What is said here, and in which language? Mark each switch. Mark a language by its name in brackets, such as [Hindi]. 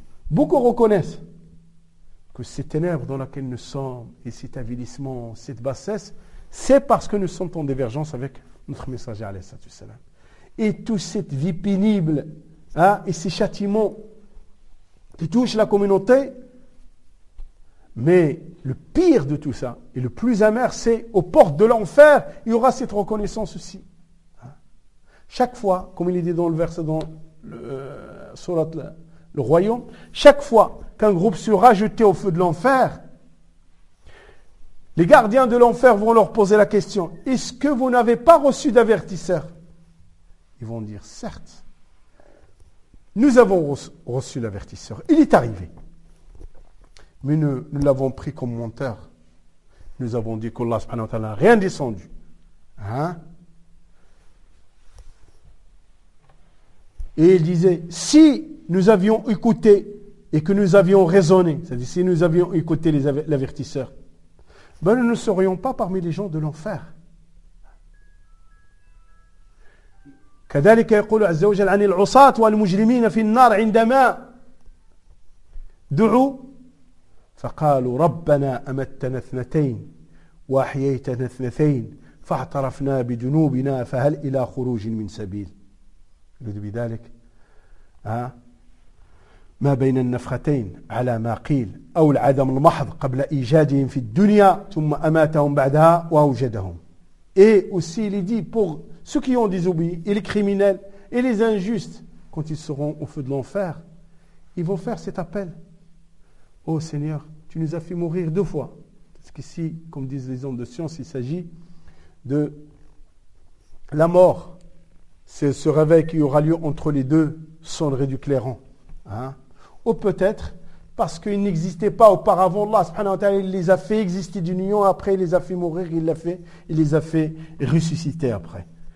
[French] beaucoup reconnaissent que ces ténèbres dans lesquelles nous sommes et cet avilissement, cette bassesse, c'est parce que nous sommes en divergence avec notre messager [Arabic] عليه الصلاة والسلام [French] et toute cette vie pénible et ces châtiments qui touchent la communauté. Mais le pire de tout ça, et le plus amer, c'est aux portes de l'enfer, il y aura cette reconnaissance aussi. Chaque fois, comme il est dit dans le verset dans le surat le royaume, chaque fois qu'un groupe sera jeté au feu de l'enfer, les gardiens de l'enfer vont leur poser la question, est-ce que vous n'avez pas reçu d'avertisseur? Ils vont dire, certes, nous avons reçu l'avertisseur, il est arrivé. Mais nous l'avons pris comme menteur. Nous avons dit qu'Allah subhanahu wa ta'ala n'a rien descendu. Hein? Et il disait, si nous avions écouté et que nous avions raisonné, c'est-à-dire si nous avions écouté l'avertisseur, ben nous ne serions pas parmi les gens de l'enfer. [Arabic] كذلك يقول عز وجل عن العصاة والمجرمين في النار عندما دعوا فقالوا ربنا أمتنا اثنتين وأحييتنا اثنتين فاعترفنا بذنوبنا فهل إلى خروج من سبيل يريد بذلك ما بين النفختين على ما قيل أو العدم المحض قبل إيجادهم في الدنيا ثم أماتهم بعدها وأوجدهم [French] et aussi il dit pour ceux qui ont désobéi et les criminels et les injustes quand ils seront au feu de l'enfer ils vont faire cet appel Ô Seigneur, tu nous as fait mourir deux fois. Parce qu'ici, comme disent les hommes de science, il s'agit de la mort. C'est ce réveil qui aura lieu entre les deux cendres du clairon. Hein? Ou peut-être, parce qu'il n'existait pas auparavant. Allah subhanahu wa ta'ala, il les a fait exister d'une union, après il les a fait mourir, il les a fait ressusciter après.